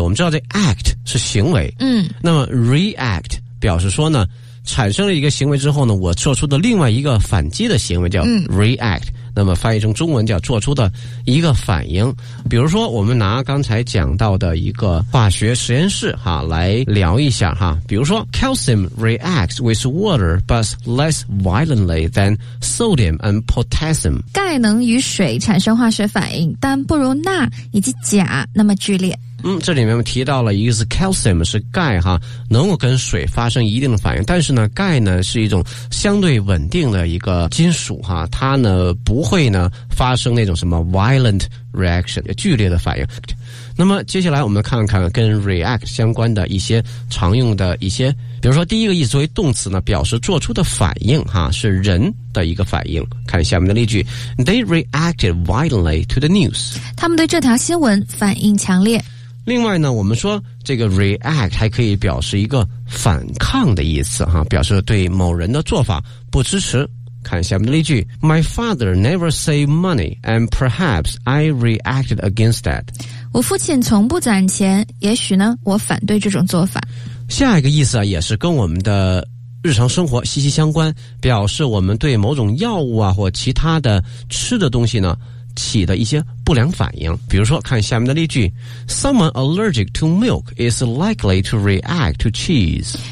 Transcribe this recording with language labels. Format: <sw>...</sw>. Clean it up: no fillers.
<zh>我们知道这 act 是行为，那么 react 表示说呢，产生了一个行为之后呢，我做出的另外一个反击的行为叫 react。那么翻译成中文叫做出的一个反应。比如说，我们拿刚才讲到的一个化学实验室哈来聊一下哈。比如说</zh> <en>，calcium reacts with water but less violently than sodium and potassium。</en> <zh>钙能与水产生化学反应，但不如钠以及钾那么剧烈。这里面提到了一个是 calcium 是钙哈，能够跟水发生一定的反应，但是呢，钙呢是一种相对稳定的一个金属哈，它呢不会呢发生那种什么 violent reaction 剧烈的反应。那么接下来我们看看跟 react 相关的一些常用的一些，比如说第一个意思作为动词呢，表示做出的反应哈，是人的一个反应。看下面的例句</zh> <en>，They reacted violently to the news。</en> <zh>他们对这条新闻反应强烈。另外呢，我们说这个 react 还可以表示一个反抗的意思哈，表示对某人的做法不支持。看下面的例句</zh> <en>，My father never saved money, and perhaps I reacted against that。</en> <zh>我父亲从不攒钱，也许呢，我反对这种做法。下一个意思啊，也是跟我们的日常生活息息相关，表示我们对某种药物啊或其他的吃的东西呢起的一些不良反应。比如说看下面的例句</zh> <en>Someone allergic to milk is likely to react to cheese。</en>